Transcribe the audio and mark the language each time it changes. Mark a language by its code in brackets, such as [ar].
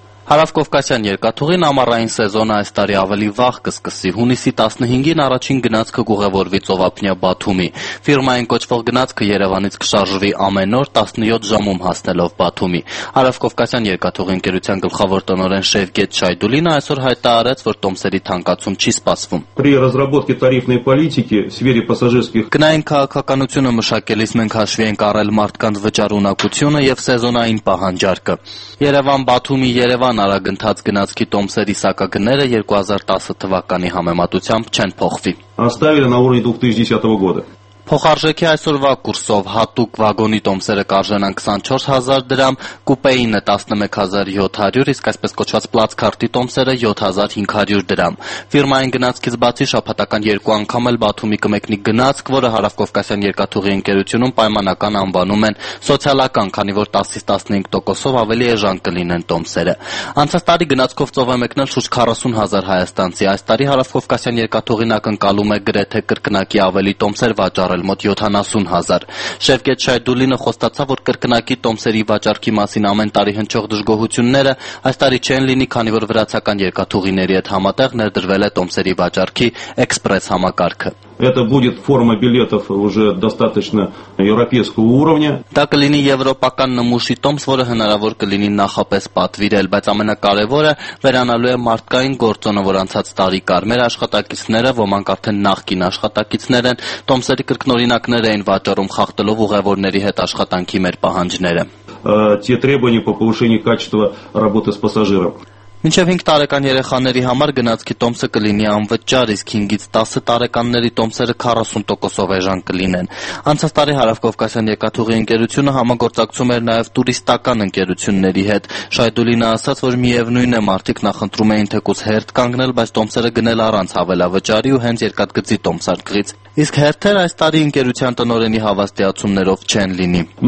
[hy] Հարավկովկասյան երկաթուղին ամառային սեզոնը այս տարի ավելի վաղ կսկսի։ Հունիսի 15-ին առաջին գնացքը կուղևորվի ծովափնյա Բաթումի։ Ֆիրմային կոչվող գնացքը Երևանից կշարժվի ամեն օր 17 ժամում հասնելով Բաթումի։ Հարավկովկասյան երկաթուղի ընկերության գլխավոր տնօրեն Շևկետ Չայդուլինը այսօր հայտարարեց, որ տոմսերի թանկացում չի սպասվում։ [ru] При разработке тарифной политики в сфере пассажирских [hy] Կնային քաղաքականությունը մշակելիս մենք հաշվի ենք առել մարդկանց վճարունակությունը եւ սեզոնային պահանջարկը։ Երևան-Բաթումի Երևան արագընթաց գնացքի տոմսերի սակագները 2010 թվականի համեմատությամբ չեն փոխվի։ [ru] Աստավիլը նա ուրնի 2010 года։ [hy] Փոխարժեքի այսօրվա կուրսով հատուկ վագոնի տոմսերը կարժանան 24,000 դրամ, կուպեինը 11,700, իսկ այսպես կոչված պլացքարտի տոմսերը 7,500 դրամ։ Ֆիրմային գնացքից բացի շաբաթական երկու անգամ էլ Բաթումի կմեկնի գնացք, որը Հարավկովկասյան երկաթուղի ընկերությունում պայմանական անվանում են սոցիալական, քանի որ 10-15% ավելի էժան կլինեն տոմսերը։ Անցած տարի գնացքով ծով է մեկնել շուրջ 40,000 հայաստանցի, այս տարի Հարավկովկասյան երկաթուղին ակնկալում է գրեթե կրկնակի ավելի տոմսեր վաճառել մոտ 70,000։ Շևկետ Չայդուլինը խոստացավ, որ կրկնակի տոմսերի վաճառքի մասին ամեն տարի հնչող դժգոհությունները այս տարի չեն լինի, քանի որ վրացական երկաթուղիների հետ համատեղ ներդրվել է տոմսերի վաճառքի էքսպրես համակարգը։ [ru] Это будет форма билетов уже достаточно европейского уровня. Так [hy] լինի եվրոպական նմուշի տոմս, որը հնարավոր կլինի նախապես պատվիրել, բայց ամենակարևորը վերանալու է մարդկային գործոնը, որ անցած տարի կար մեր աշխատակիցները, ոմանք արդեն նախկին աշխատակիցներ են, տոմսերի կրկնօրինակներ էին վաճառում խախտելով ուղևորների հետ աշխատանքի մեր պահանջները։ [ru] Те требования по повышению качества работы с пассажиром. [hy] Մինչև 5 տարեկան երեխաների համար գնացքի տոմսը կլինի անվճար, իսկ 5-ից 10 տարեկանների տոմսերը 40%-ով էժան կլինեն։ Անցած տարի Հարավկովկասյան Եկաթուղի ընկերությունը համագործակցում էր նաև տուրիստական ընկերությունների հետ։ Շայդուլինը ասաց, որ միևնույն է, մարդիկ նախընտրում էին թեկուզ հերթ կանգնել, բայց տոմսերը գնել առանց հավելավճարի ու հենց երկաթգծի տոմսարկղից։ Իսկ հերթեր այս տարի ընկերության տնօրենի հավաստիացումներով չեն լինի։